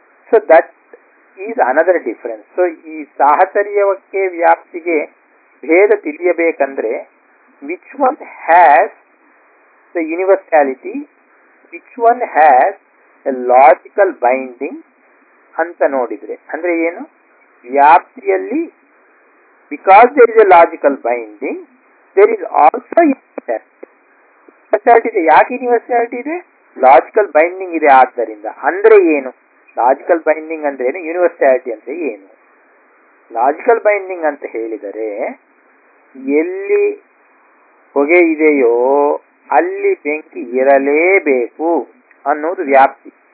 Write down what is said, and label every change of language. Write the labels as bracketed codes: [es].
[en] So that is another difference. [kn] So ಈ ಸಾಹಚರ್ಯಕ್ಕೆ ವ್ಯಾಪ್ತಿಗೆ ಭೇದ ತಿಳಿಯಬೇಕಂದ್ರೆ [en] which one has the universality, which one has a logical binding [kn] ಅಂತ ನೋಡಿದ್ರೆ, ಅಂದ್ರೆ ಏನು, ವ್ಯಾಪ್ತಿಯಲ್ಲಿ [en] because there is a logical binding, there is also universality. [kn] ಯಾಕೆ ಯೂನಿವರ್ಸಾಲಿಟಿ ಇದೆ? ಲಾಜಿಕಲ್ ಬೈಂಡಿಂಗ್ ಇದೆ ಆದ್ದರಿಂದ. ಅಂದ್ರೆ ಏನು ಲಾಜಿಕಲ್ ಬೈಂಡಿಂಗ್ ಅಂದ್ರೆ ಏನು, ಯೂನಿವರ್ಸಾಲಿಟಿ ಅಂದ್ರೆ ಏನು? ಲಾಜಿಕಲ್ ಬೈಂಡಿಂಗ್ ಅಂತ ಹೇಳಿದರೆ ಎಲ್ಲಿ ಹೊಗೆ ಇದೆಯೋ ಅಲ್ಲಿ ಬೆಂಕಿ ಇರಲೇಬೇಕು ಅನ್ನೋದು ವ್ಯಾಪ್ತಿ.